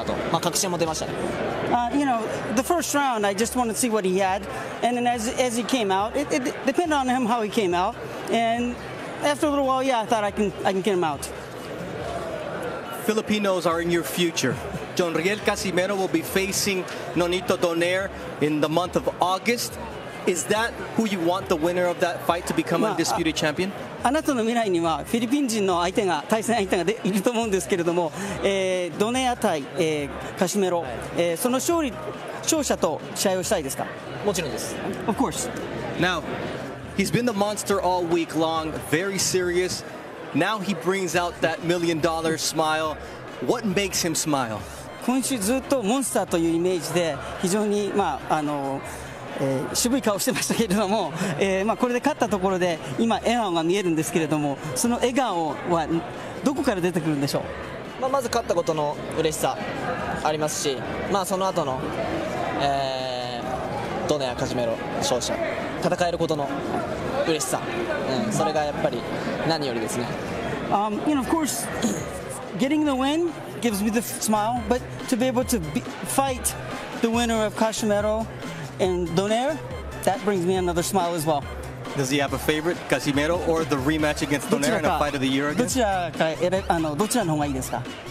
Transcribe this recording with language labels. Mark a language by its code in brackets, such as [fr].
[en] The first round, I just wanted to see what he had, and then as he came out, it depended on him how he came out, and after a little while, yeah, I thought I can get him out. Filipinos are in your future. Jonriel Casimero will be facing Nonito Donaire in the month of August. Is that who you want the winner of that fight to become undisputed champion? [ja] あなたの未来にはフィリピン人の相手が対戦相手がでいると思うんですけれども、ドネア対、カシメロ、その勝利勝者と試合をしたいですか？もちろんです。 [en] Of course. Now, he's been the monster all week long, very serious. Now he brings out that million-dollar smile. What makes him smile? [ja] 今週ずっとモンスターというイメージで非常にまああの。渋い顔してましたけれども、まあこれで勝ったところで今笑顔が見えるんですけれどもその笑顔はどこから出てくるんでしょう、まあ、まず勝ったことの嬉しさありますし、まあ、その後の、ドネア・カジメロ勝者戦えることの嬉しさ、うん、それがやっぱり何よりですね、 [en] you know, of course, getting the win gives me the smile but to be able to be, fight the winner of カジメロAnd Donaire, that brings me another smile as well. Does he have a favorite, Casimiro, or the rematch against Donaire in a fight of the year again? [ja] どちらの方がいいですか?